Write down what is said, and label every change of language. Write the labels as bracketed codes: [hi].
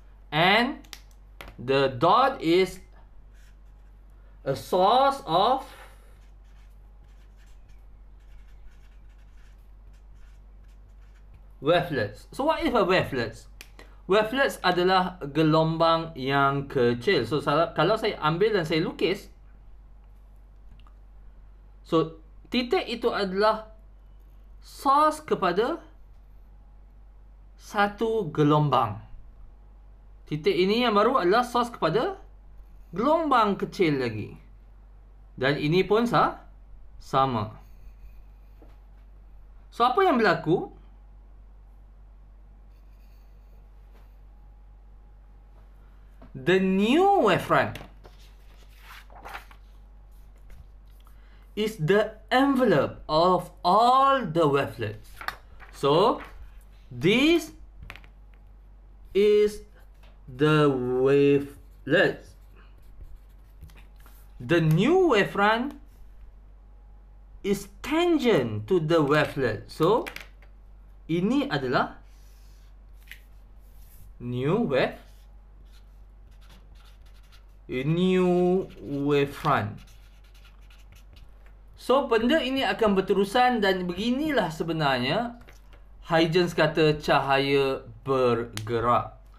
[en] And the dot is a source of wavelets. So what is a wavelets? [ms] Wavelets adalah gelombang yang kecil. So kalau saya ambil dan saya lukis, so titik itu adalah source kepada satu gelombang. Titik ini yang baru adalah source kepada gelombang kecil lagi. Dan ini pun sama. So, apa yang berlaku? [en] The new wavefront is the envelope of all the wavelets. So, this is the wavelets. The new wavefront is tangent to the wavelet. [ms] So ini adalah new wavefront. So benda ini akan berterusan dan beginilah sebenarnya Huygen kata cahaya bergerak.